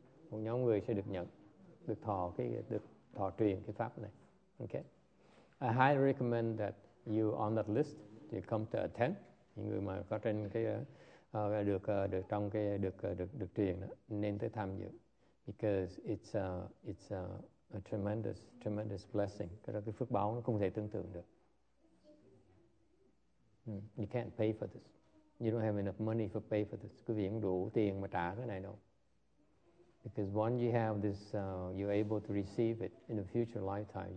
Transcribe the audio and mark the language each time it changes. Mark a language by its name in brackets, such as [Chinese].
[Vietnamese] Một nhóm người sẽ được nhận, được thọ truyền cái pháp này. Okay. [English] I highly recommend that you on that list, you come to attend. [Vietnamese] Những người mà có trên cái được được trong cái được được được truyền đó nên tới tham dự, [English] because it's a tremendous blessing. [Vietnamese] Cái đó cái phước báo nó không thể tưởng tượng được. [English] You can't pay for this. You don't have enough money for pay for this. [Vietnamese] Quý vị không đủ tiền mà trả cái này đâu. [English] Because once you have this, you're able to receive it in a future lifetime.